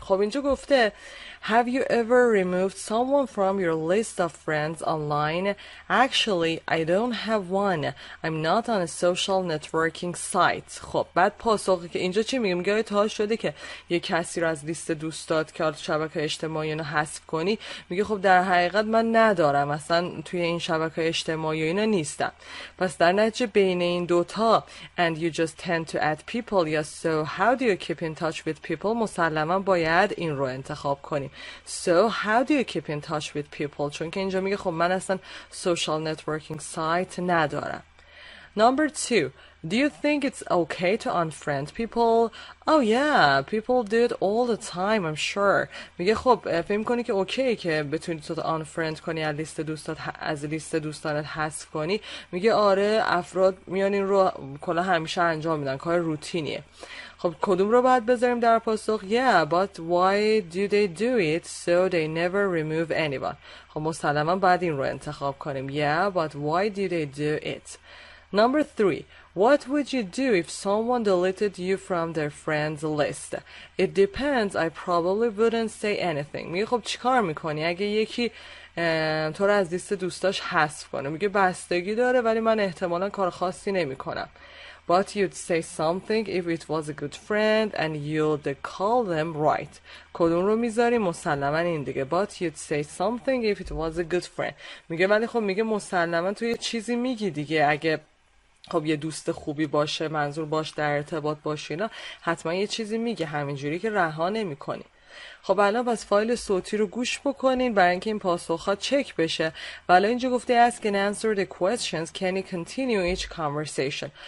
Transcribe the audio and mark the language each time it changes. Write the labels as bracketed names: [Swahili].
[Persian] خب اینجا گفته [English] have you ever removed someone from your list of friends online? Actually, I don't have one. I'm not on a social networking site. [Persian] خب بعد پاسخه که اینجا چی میگه؟ میگه تا شده که یه کسی رو از لیست دوستات که از شبکه اجتماعی اونو حذف کنی؟ میگه خب در حقیقت من ندارم، اصلا توی این شبکه اجتماعی اینا نیستم. پس در نتیجه بین این دوتا [English] and you just tend to add people yes, so how do you keep in touch with people؟ [Persian] مسلماً باید این رو انتخاب کنی. [English] So how do you keep in touch with people؟ [Persian] چون که اینجا میگه خب من اصلا [English] social networking site [Persian] ندارم. [English] Number 2. Do you think it's okay to unfriend people? Oh yeah, people do it all the time, I'm sure. [Persian] میگه خب فهم کنی که اوکیه که بتونی تو unfriend کنی از لیست دوستات، از لیست دوستانت حذف کنی. میگه آره افراد میان این رو کلا همیشه انجام میدن، کار روتینیه. خب کدوم رو باید بذاریم در پاسخ؟ [English] Yeah, but why do they do it so they never remove anyone؟ [Persian] خب مسلما باید این رو انتخاب کنیم. [English] Yeah, but why do they do it؟ Number 3. What would you do if someone deleted you from their friends list? It depends. I probably wouldn't say anything. [Persian] میگه خب چیکار میکنی اگه یکی تو رو از لیست دوستاش حذف کنه؟ میگه بستگی داره ولی من احتمالا کار خاصی نمیکنم. [English] But you'd say something if it was a good friend and you'd call them right. [Persian] کدوم رو میذاری؟ مسلماً این دیگه. [English] But you'd say something if it was a good friend. [Persian] میگه ولی خب میگه مسلماً تو یه چیزی میگی دیگه، اگه خب یه دوست خوبی باشه، منظور باش در ارتباط باشی، نه حتما یه چیزی میگه، همینجوری که رها نمی کنی. خب الان پس فایل صوتی رو گوش بکنین برای اینکه این پاسخ ها چک بشه. ولی اینجا گفته [English] ask and answer the questions can you continue each conversation.